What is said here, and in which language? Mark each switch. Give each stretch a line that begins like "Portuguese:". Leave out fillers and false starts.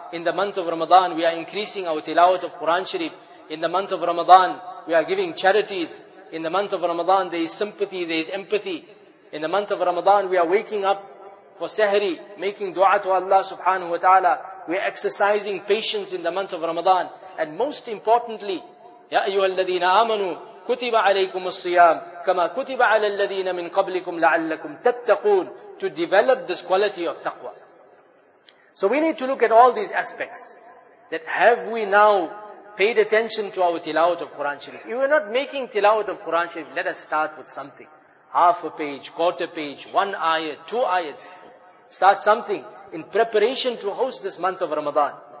English: In the month of Ramadan, we are increasing our tilawat of Quran Sharif. In the month of Ramadan, we are giving charities. In the month of Ramadan, there is sympathy, there is empathy. In the month of Ramadan, we are waking up for sahri, making dua to Allah subhanahu wa ta'ala. We are exercising patience in the month of Ramadan. And most importantly,
Arabic: يَا أَيُّهَا الَّذِينَ آمَنُوا كُتِبَ عَلَيْكُمُ الصِّيَامُ كَمَا كُتِبَ عَلَى الَّذِينَ مِنْ قَبْلِكُمْ لَعَلَّكُمْ تَتَّقُونَ.
English: To develop this quality of taqwa. So we need to look at all these aspects. That have we now paid attention to our tilawat of Quran Sharif? If we are not making tilawat of Quran Sharif, let us start with something. Half a page, quarter page, one ayat, two ayats. Start something in preparation to host this month of Ramadan.